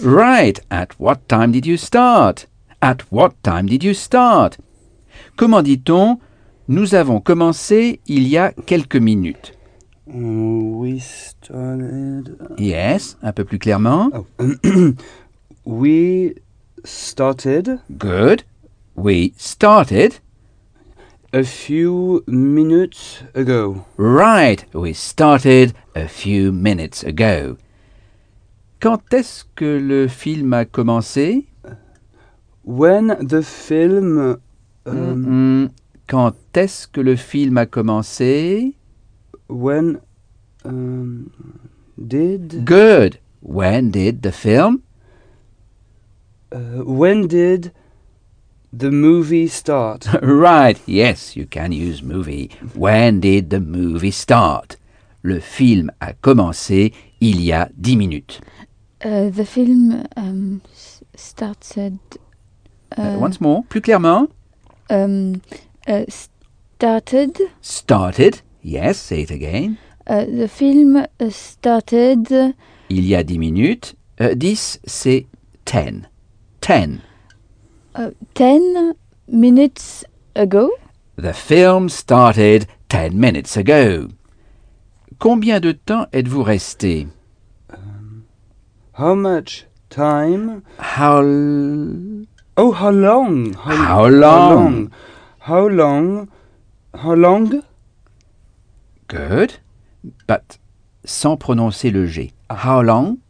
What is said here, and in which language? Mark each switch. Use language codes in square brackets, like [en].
[en] Right, at what time did you start? At what time did you start? [fr] Comment dit-on, nous avons commencé il y a quelques minutes? [en] We started... Yes, [fr] un peu plus clairement. [en] Oh. We started... Good. We started... A few minutes ago. Right. We started a few minutes ago. [fr] Quand est-ce que le film a commencé? [en] When the film... [fr] Quand est-ce que le film a commencé? [en] When... did... Good. When did the film... When did the movie start? Right. Yes, you can use movie. When did the movie start? [fr] Le film a commencé il y a 10 minutes. [en] The film started... Once more, [fr] plus clairement. [en] Started... Started. Yes, say it again. The film started... [fr] Il y a 10 minutes. 10, c'est 10. 10. [en] 10 minutes ago. The film started 10 minutes ago. [fr] Combien de temps êtes-vous resté? [en] How much time? How... Oh, how long? How long? How long? How long? Good. But [fr] sans prononcer le G. [en] How long?